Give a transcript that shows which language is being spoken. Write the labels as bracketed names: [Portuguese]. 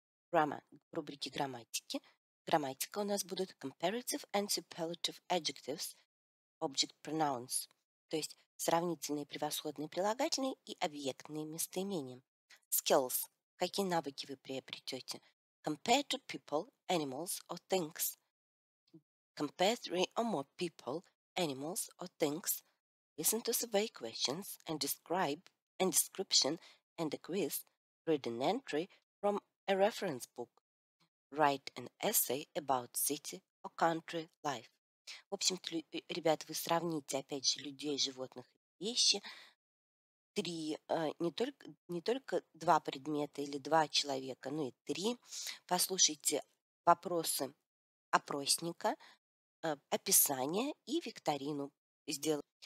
[Russian] Grammar, рубрики грамматики. Грамматика у нас будут [English] comparative and superlative adjectives, object pronouns, [Russian] то есть сравнительные, превосходные, прилагательные и объектные местоимения. Skills, какие навыки вы приобретете? [English] Compare to people, animals or things. Compare three or more people, animals or things, listen to survey questions and describe and description and a quiz, read an entry from a reference book, write an essay about city or country life. [Russian] В общем-то, ребята, вы сравните, опять же, людей, животных, вещи, не только два предмета или два человека, но и три. Послушайте вопросы опросника, описание и викторину сделаем.